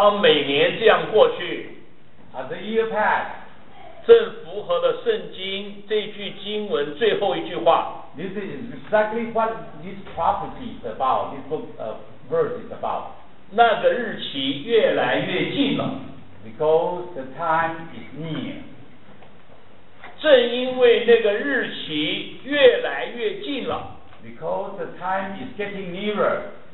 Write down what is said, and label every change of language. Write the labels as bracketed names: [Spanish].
[Chinese] 今年啊，正在一年就过去了。当每年这样过去， [English] as the year pass， [Chinese] 正符合了圣经这句经文最后一句话。 [English] This is exactly what this prophecy is about. This book, verse is about. [Chinese] 那个日期越来越近了。 [English] Because the time is near. [Chinese] 正因为那个日期越来越近了。 [English] Because the time is getting nearer.